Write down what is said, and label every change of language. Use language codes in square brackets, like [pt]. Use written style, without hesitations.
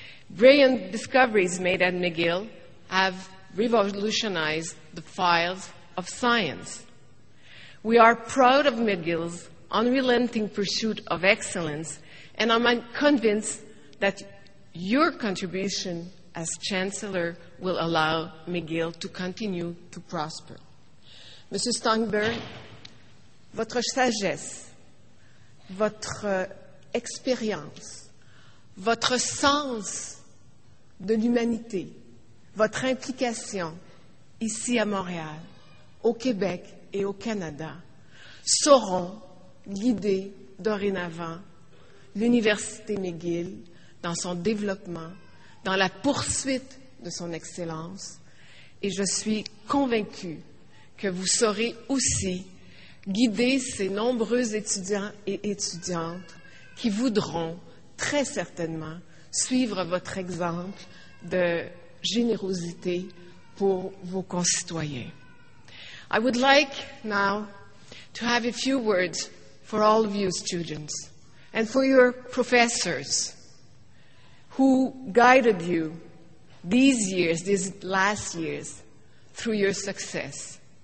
[en] Brilliant discoveries made at McGill have revolutionized the files of science. We are proud of McGill's unrelenting pursuit of excellence, and I'm convinced that your contribution as Chancellor will allow McGill to continue to prosper. [fr] Monsieur Steinberg, votre sagesse, votre expérience, votre sens de l'humanité, votre implication ici à Montréal, au Québec et au Canada sauront guider dorénavant l'Université McGill dans son développement, dans la poursuite de son excellence, et je suis convaincue que vous saurez aussi guider ces nombreux étudiants et étudiantes qui voudront très certainement suivre votre exemple de générosité pour vos concitoyens. [en] I would like now to have a few words for all of you students and for your professors who guided you these last years through your success.